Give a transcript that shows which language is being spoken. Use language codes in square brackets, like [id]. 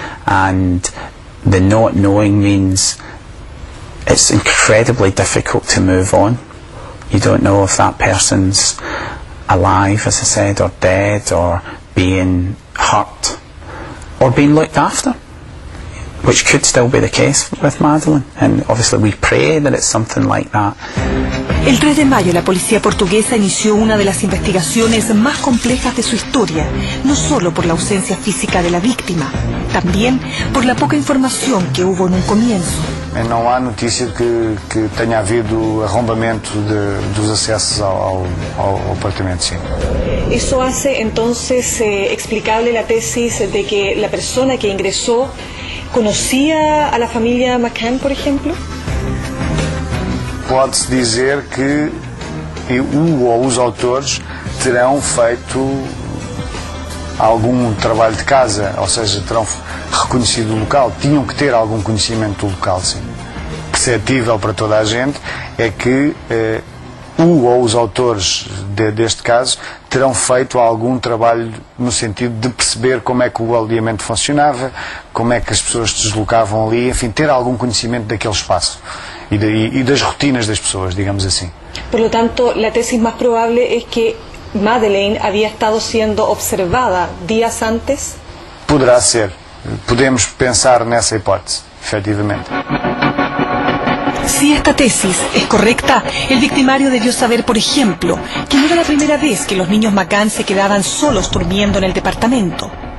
[en] And the not knowing means it's incredibly difficult to move on. You don't know if that person's alive, as I said, or dead, or being hurt, or being looked after, which could still be the case with Madeleine. And obviously we pray that it's something like that. [es] El 3 de mayo la policía portuguesa inició una de las investigaciones más complejas de su historia, no solo por la ausencia física de la víctima, también por la poca información que hubo en un comienzo. No hay noticia de que haya habido arrombamiento de los accesos al apartamento, sí. Eso hace entonces explicable la tesis de que la persona que ingresó conocía a la familia McCann, por ejemplo. [pt] Pode-se dizer que o ou os autores terão feito algum trabalho de casa, ou seja, terão reconhecido o local, tinham que ter algum conhecimento do local, sim. Perceptível para toda a gente é que o ou os autores deste caso terão feito algum trabalho no sentido de perceber como é que o alojamento funcionava, como é que as pessoas se deslocavam ali, enfim, ter algum conhecimento daquele espaço. [es] Y de las rutinas de las personas, digamos así. Por lo tanto, la tesis más probable es que Madeleine había estado siendo observada días antes. Podrá ser. Podemos pensar en esa hipótesis, efectivamente. Si esta tesis es correcta, el victimario debió saber, por ejemplo, que no era la primera vez que los niños McCann se quedaban solos durmiendo en el departamento.